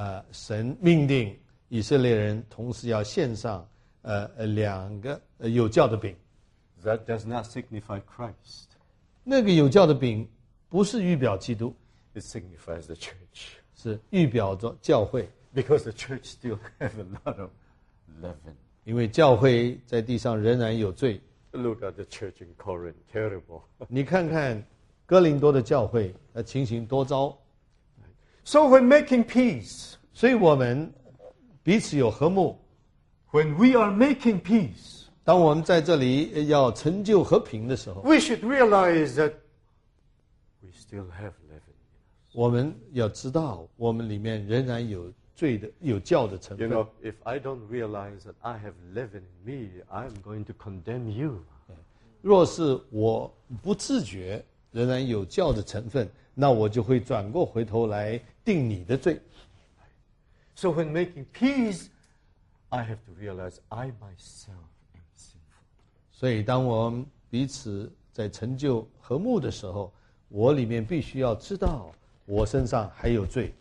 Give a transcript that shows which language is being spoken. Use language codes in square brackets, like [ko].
[zh] 神命令以色列人同时要献上两个有酵的饼 [en] That does not signify Christ. [zh] 那个有酵的饼不是预表基督。 [en] It signifies the church. [zh] 是预表着教会。 [en] Because the church still have a lot of leaven. [zh] 因为教会在地上仍然有罪。 [en] Look at the church in Corinth, terrible. [zh] 你看看哥林多的教会，那情形多糟。 [en] So when making peace, [zh] 所以我们彼此有和睦。 [en] When we are making peace, [zh] 当我们在这里要成就和平的时候 [en] ，We should realize that we still have leaven. [zh] 我们要知道，我们里面仍然有罪的、有酵的成分。 [en] You know, if I don't realize that I have leaven in me, I'm going to condemn you. [zh] 若是我不自觉仍然有酵的成分，那我就会转过回头来定你的罪。 [en] So when making peace, I have to realize I myself am sinful. [zh] 所以当我们彼此在成就和睦的时候，我里面必须要知道我身上还有罪。